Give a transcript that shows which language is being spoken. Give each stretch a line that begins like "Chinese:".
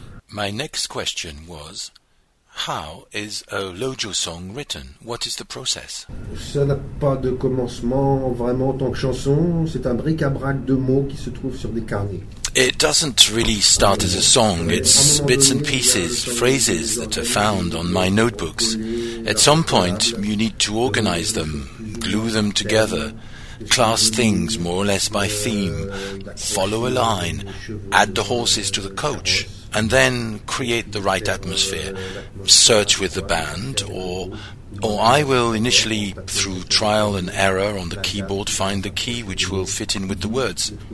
English: My next question was, how is a Lojo song written? What is the process?
French: Ça n'a pas de commencement vraiment en tant que chanson. C'est un bric-à-brac de mots qui se trouvent sur des carnets.
English: It doesn't really start as a song. It's bits and pieces, phrases that are found on my notebooks. At some point, you need to organize them, glue them together, class things more or less by theme, follow a line, add the horses to the coach, and then create the right atmosphere, search with the band, or I will initially, through trial and error on the keyboard, find the key which will fit in with the words.